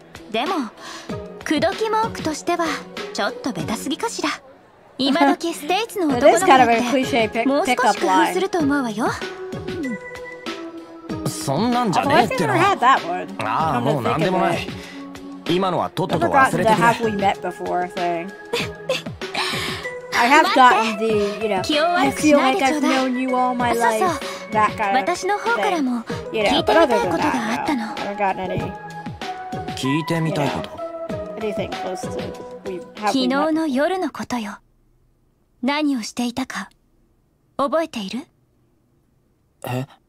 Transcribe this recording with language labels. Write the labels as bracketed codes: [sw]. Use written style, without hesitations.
[ja] でも口説き文句としてはちょっとベタすぎかしら。今時ステイツの男の子だってもう少し工夫すると思うわよ。そんなんじゃねえってな。ああもうなんでもない。今のはとっとと忘れてくれ。 [en] Have we met before thing. I have gotten the, you know, I feel like I've known you all my life. That kind of thing. [ja] 私の方からも聞いてみたいことがあったの。 [en] I haven't gotten any. [ja] 聞いてみたいこと。 [en] Anything close to we have met. [ja] 昨日の夜のことよ。何をしていたか覚えている？え？